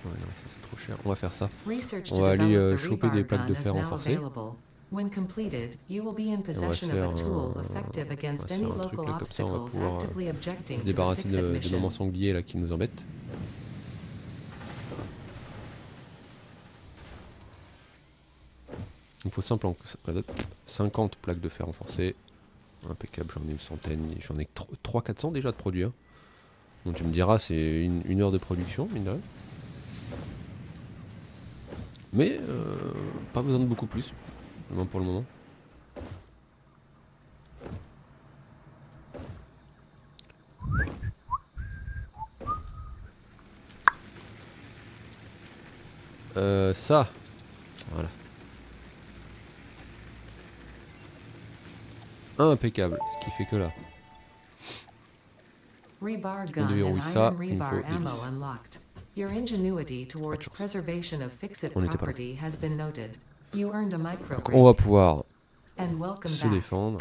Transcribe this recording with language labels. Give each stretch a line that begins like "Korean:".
French: Ouais, non, ça c'est trop cher. On va faire ça. On va aller choper des plaques de fer renforcées.
English: When completed, you will be in possession of a tool effective against any local obstacles actively objecting.
French: Débarrasser de maman sanglier là qui nous embête. Il faut 50 plaques de fer renforcées. Impeccable, j'en ai une centaine, j'en ai 300-400 déjà de produits. Hein. Donc tu me diras, c'est une heure de production, mine de rien. Mais pas besoin de beaucoup plus, même pour le moment. Ça, voilà. Impeccable, ce qui fait que là.
English: Rebar gun and iron rebar ammo unlocked. Your ingenuity towards preservation of fixed property has been noted. You earned a micro.
French: On va pouvoir se défendre.